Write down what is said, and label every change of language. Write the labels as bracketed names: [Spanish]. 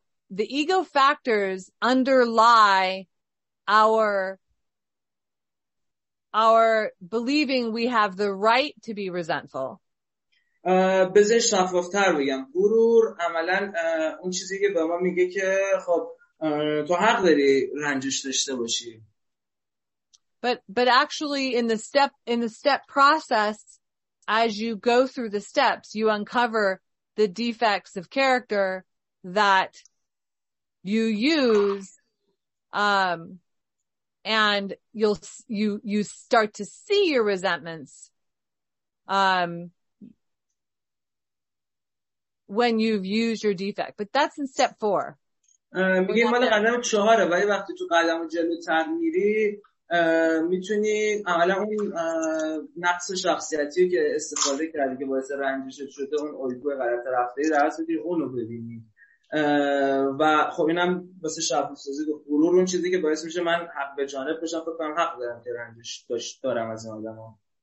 [English] The ego factors underlie our believing we have the right to be resentful. [Persian] بذار شفاف‌تر بگم. غرور عملاً اون چیزی که به ما میگه که خب تو حق داری رنجش داشته باشی. [English] But actually in the step process, as you go through the steps, you uncover the defects of character that you use, and you start to see your resentments when you've used your defect. But that's in step 4. [Persian] میگه مال قدم چهاره، ولی وقتی تو قدم جلوتر میری میتونی اولا اون نقص شخصیتی که استفاده کردی که باعث رنجشت شده، اون الگوی غلط رفتاری درست میتونی اونو ببینی. و خب اینم واسه شخصیتی که غرور اون چیزی که باعث میشه من حق به جانب بشم، فکر کنم حق دارم که رنجش داشت دارم از این آدم ها.